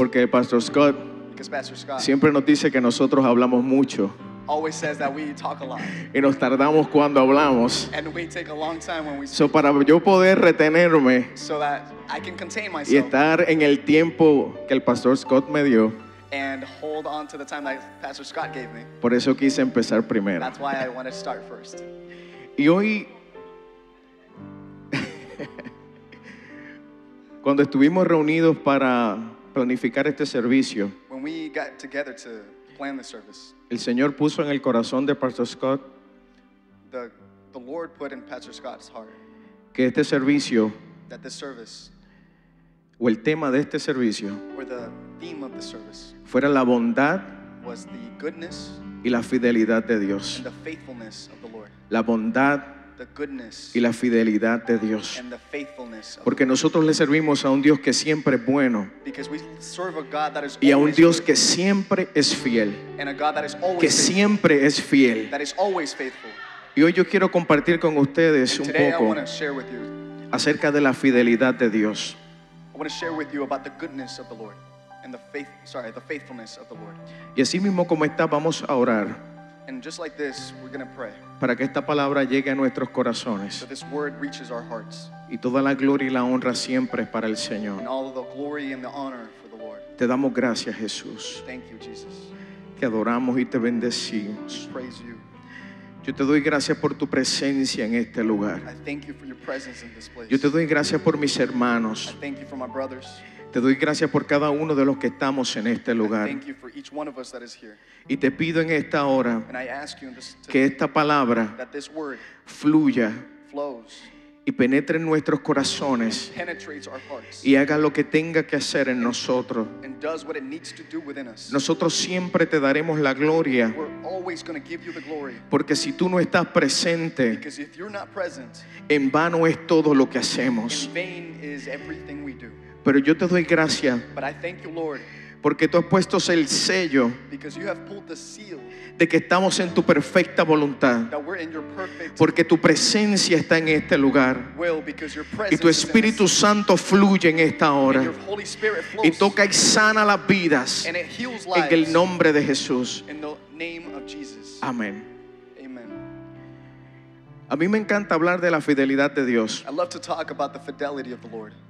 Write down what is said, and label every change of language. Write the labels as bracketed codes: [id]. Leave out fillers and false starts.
[es] Porque Pastor Scott, siempre nos dice que nosotros hablamos mucho. [en] Always says that we talk a lot. [es] Y nos tardamos cuando hablamos. [en] And we take a long time when we speak. [es] So para yo poder retenerme, [en] so that I can contain myself. [es] Y estar en el tiempo que el Pastor Scott me dio. [en] And hold on to the time that Pastor Scott gave me. [es] Por eso quise empezar primero. [en] That's why I want to start first. [es] Y hoy, cuando estuvimos reunidos para planificar este servicio, [en] when we got together to plan the service, [es] el Señor puso en el corazón de Pastor Scott, [en] the Lord put in Pastor Scott's heart, [es] que este servicio, [en] that this service, [es] o el tema de este servicio, [en] or the theme of the service, [es] fuera la bondad, [en] was the goodness, [es] y la fidelidad de Dios, [en] and the faithfulness of the Lord, [es] la bondad, [en] the goodness, [es] y la fidelidad de Dios, [en] and the faithfulness of, [es] porque nosotros le servimos a un Dios que siempre es bueno, [en] because we serve a God that is, [es] y a un Dios que siempre es fiel, [en] and a God that is always [es] que siempre es fiel, [en] that is always faithful. [es] Y hoy yo quiero compartir con ustedes [en] and [es] un poco acerca de la fidelidad de Dios. [en] I want to share with you about the goodness of the Lord and the faithfulness of the Lord. [es] Y así mismo como está, vamos a orar. [en] And just like this, we're going to pray. [es] Para que esta palabra llegue a nuestros corazones. [en] So this word reaches our hearts. [es] Y toda la gloria y la honra siempre es para el Señor. [en] And all of the glory and the honor for the Lord. [es] Te damos gracias, Jesús. [en] Thank you, Jesus. [es] Te adoramos y te bendecimos. [en] We praise you. [es] Yo te doy gracias por tu presencia en este lugar. [en] I thank you for your presence in this place. [es] Yo te doy gracias por mis hermanos. [en] I thank you for my brothers. [es] Te doy gracias por cada uno de los que estamos en este lugar. [en] Thank you for each one of us that is here. [es] Y te pido en esta hora, [en] and I ask you in this, [es] que esta palabra, [en] that this word, [es] fluya, [en] flows, [es] y penetre en nuestros corazones, [en] and penetrates our hearts, [es] y haga lo que tenga que hacer en nosotros. [en] And does what it needs to do within us. [es] Nosotros siempre te daremos la gloria. [en] We're always going to give you the glory. [es] Porque si tú no estás presente, [en] because if you're not present, [es] en vano es todo lo que hacemos. [en] In vain is everything we do. [es] Pero yo te doy gracias, [en] but I thank you, Lord, [es] porque tú has puesto el sello, [en] because you have pulled the seal, [es] de que estamos en tu perfecta voluntad, [en] that we're in your perfect, [es] porque tu presencia está en este lugar, [en] will, because your presence, [es] y tu Espíritu Santo fluye en esta hora, [en] and your Holy Spirit flows, [es] y toca y sana las vidas, [en] and it heals lives, [es] en el nombre de Jesús. [en] In the name of Jesus. [es] Amén. [en] Amen. [es] A mí me encanta hablar de la fidelidad de Dios. [en] I love to talk about the fidelity of the Lord.